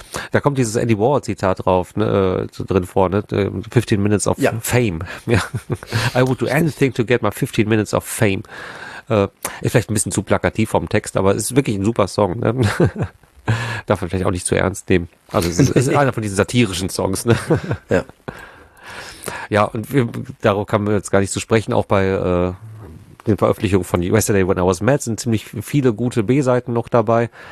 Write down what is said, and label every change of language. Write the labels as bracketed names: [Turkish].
[German] Da kommt dieses Andy Warhol-Zitat drauf, ne, so drin vor, ne? [English] 15 Minutes of Fame. Ja. I would do anything to get my 15 Minutes of Fame. [German] Ist vielleicht ein bisschen zu plakativ vom Text, aber es ist wirklich ein super Song, ne? Darf man vielleicht auch nicht zu ernst nehmen. Also, es ist einer von diesen satirischen Songs, ne? Ja. Und darauf kann man jetzt gar nicht zu sprechen, auch bei, den Veröffentlichungen von Yesterday When I Was Mad sind ziemlich viele gute B-Seiten noch dabei.